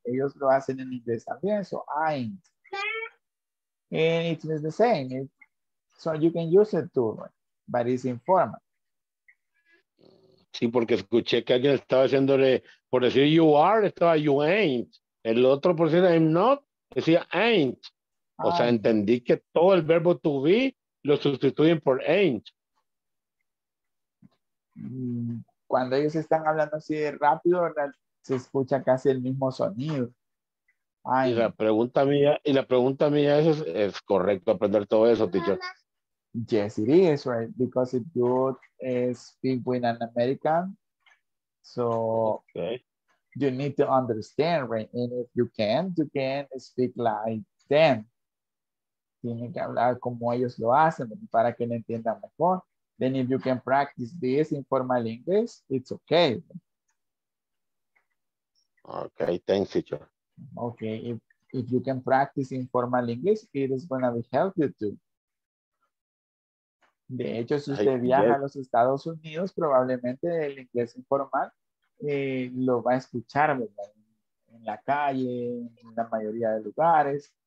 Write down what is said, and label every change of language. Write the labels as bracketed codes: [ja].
[es] Ellos lo hacen en inglés también, [en] so ain't. And it is the same. It, so you can use it too, right? But it's informal. [es] Sí, porque escuché que alguien estaba haciéndole, por decir [en] you are, [es] estaba [en] you ain't. [es] El otro por decir [en] I'm not, [es] decía ain't. O sea, entendí que todo el verbo to be lo sustituyen por ain't. Cuando ellos están hablando así de rápido, ¿verdad? Se escucha casi el mismo sonido. Ay. Y la pregunta mía es correcto aprender todo eso, teacher. [en] Yes, it is, right? Because if you speak with an American, so okay. You need to understand, right? And if you can, you can speak like them. [es] Tienen que hablar como ellos lo hacen para que lo entiendan mejor. [en] Then if you can practice this informal English, it's okay. Okay, thanks, teacher. Okay, if you can practice informal English, it is going to be help you too. [es] De hecho, si usted viaja a los Estados Unidos, probablemente el inglés informal lo va a escuchar, ¿verdad? En la calle, en la mayoría de lugares.